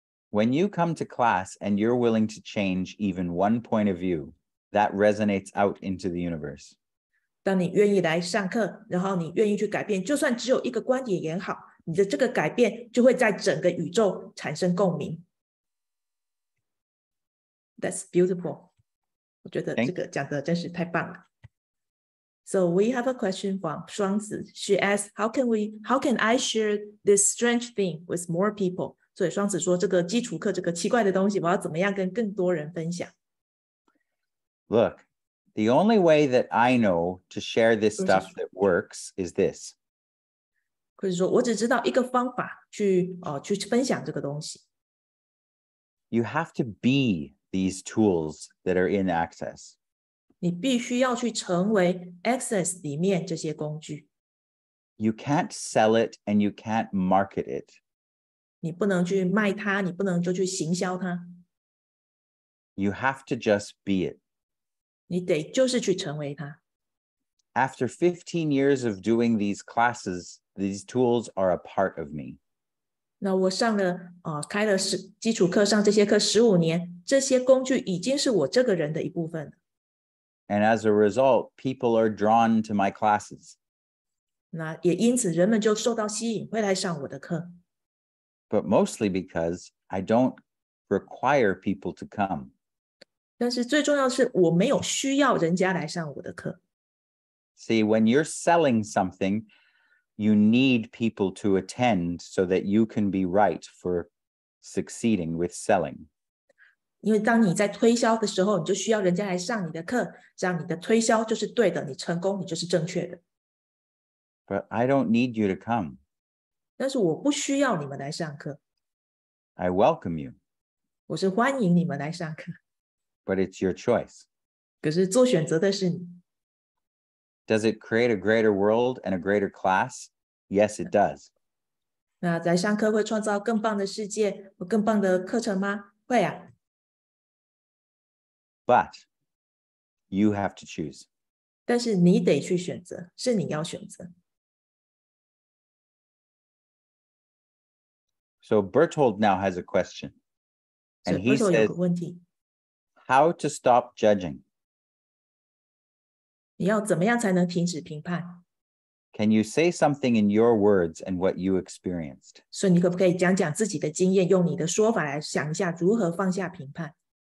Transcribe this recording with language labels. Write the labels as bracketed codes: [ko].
[en] When you come to class and you're willing to change even one point of view, that resonates out into the universe. [zh] 当你愿意来上课，然后你愿意去改变，就算只有一个观点也好，你的这个改变就会在整个宇宙产生共鸣。 [en] That's beautiful. [zh] 我觉得这个讲得真是太棒了。 [en] So we have a question from 双子。 She asks, how can I share this strange thing with more people? [zh] 所以双子说，这个基础课，这个奇怪的东西，我要怎么样跟更多人分享 [en] ？Look. The only way that I know to share this stuff that works is this. [zh] 可是说我只知道一个方法 去分享这个东西。 [en] You have to be these tools that are in Access. [zh] 你必须要去成为 Access 里面这些工具。 [en] You can't sell it and you can't market it. [zh] 你不能去卖它，你不能就去行销它。 [en] You have to just be it. [zh] 你得就是去成为它。 [en] After 15 years of doing these classes, these tools are a part of me. [zh] 那我上了、开了十基础课，上这些课15年，这些工具已经是我这个人的一部分。 [en] And as a result, people are drawn to my classes. [zh] 那也因此人们就受到吸引，会来上我的课。 [en] But mostly because I don't require people to come. [zh] 但是最重要的是我没有需要人家来上我的课。 [en] See, when you're selling something, you need people to attend so that you can be right for succeeding with selling. [zh] 因为当你在推销的时候，你就需要人家来上你的课，这样你的推销就是对的，你成功，你就是正确的。 [en] But I don't need you to come. [zh] 但是我不需要你们来上课。 [en] I welcome you. [zh] 我是欢迎你们来上课。 [en] But it's your choice. [zh] 可是做选择的是你。 [en] Does it create a greater world and a greater class? Yes, it does. [zh] 那在上课会创造更棒的世界和更棒的课程吗？会啊。 [en] But you have to choose. [zh] 但是你得去选择，是你要选择。 [en] So Berthold now has a question. And he says, [zh] Berthold 有个问题。 [en] How to stop judging? [zh] 你要怎么样才能停止评判? [en] Can you say something in your words and what you experienced? [zh] 所以你可不可以讲讲自己的经验，用你的说法来想一下如何放下评判?